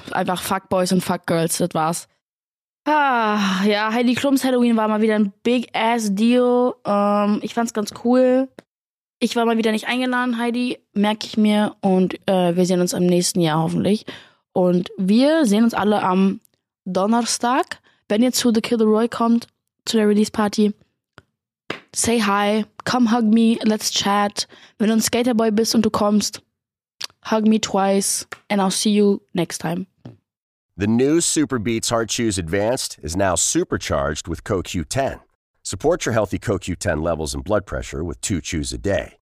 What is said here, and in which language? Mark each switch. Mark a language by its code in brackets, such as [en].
[de] Einfach Fuckboys und Fuckgirls, das war's. Ah, ja, Heidi Klums Halloween war mal wieder ein [en] big ass deal. [de] Ich fand's ganz cool. Ich war mal wieder nicht eingeladen, Heidi, merke ich mir. Und wir sehen uns im nächsten Jahr hoffentlich. Und wir sehen uns alle am Donnerstag, wenn ihr zu The Kill the Roy kommt, zu der Release Party. [en] Say hi, come hug me, let's chat. [de] Wenn du ein Skaterboy bist und du kommst, [en] hug me twice and I'll see you next time. The new Super Beats Heart Chews Advanced is now supercharged with CoQ10. Support your healthy CoQ10 levels and blood pressure with 2 chews a day.